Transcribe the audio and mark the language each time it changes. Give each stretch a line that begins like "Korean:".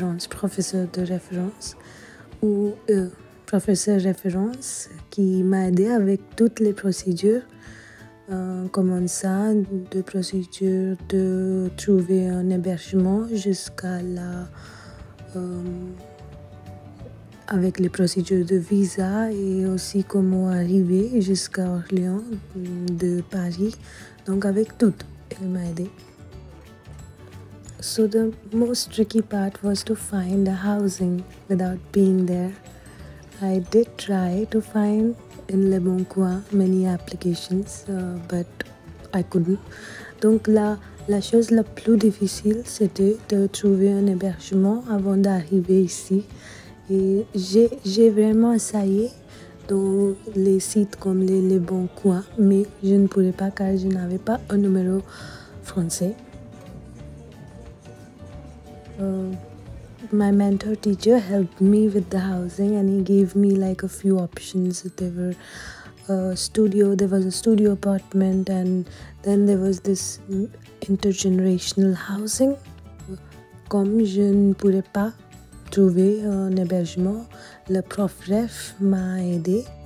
French: professeur référence qui m'a aidé avec toutes les procédures, comment ça, de procédures de trouver un hébergement jusqu'à la avec les procédures de visa, et aussi comment arriver jusqu'à Orléans de Paris. Donc avec tout, elle m'a aidé.
English: So the most tricky part was to find a housing without being there. I did try to find in Le Bon Coin many applications, but I couldn't.
French: Donc la chose la plus difficile, c'était de trouver un hébergement avant d'arriver ici. J'ai vraiment essayé dans les sites comme les bons coins, mais je ne pouvais pas car je n'avais pas un numéro français.
English: My mentor teacher helped me with the housing and he gave me like a few options. There were a studio, there was a studio apartment, and then there was this intergenerational housing.
French: Comme je ne pouvais pas trouver un hébergement, le prof ref m'a aidé.